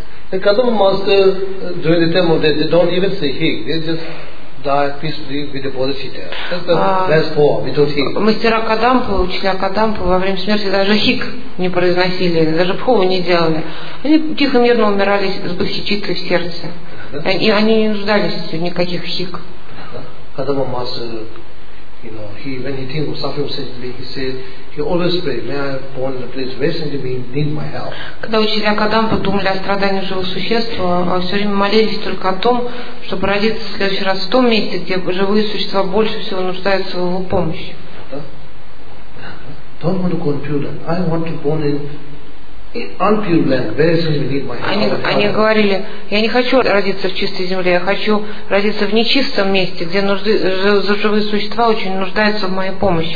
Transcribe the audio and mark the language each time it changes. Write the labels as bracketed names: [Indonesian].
[English] The Kadam master during the time of death, they don't even say hik. They just die peacefully with the bodhicitta. That's the best form. We don't hik. [Russian] Мастера Кадампы, учителя Кадампы во время смерти даже хик не произносили, даже пхову не делали. Они тихо, мирно умирали с бодхичиттой в сердце. И они не нуждались в никаких хик. [English] Kadama Master, you know, he when he thinks of suffering sentiment, he said, he always pray, may I have born in a place where sentiment need my help. [Russian] Когда учителя Кадампы думали о страдании живых существ, все время молились только о том, чтобы родиться в следующий раз в том месте, где живые существа больше всего нуждаются в его помощи. [English] Don't want to go impure. I want to born in unpure land, where sentiment need my help. [Russian] Они говорили, я не хочу родиться в чистой земле, я хочу родиться в нечистом месте, где живые существа очень нуждаются в моей помощи.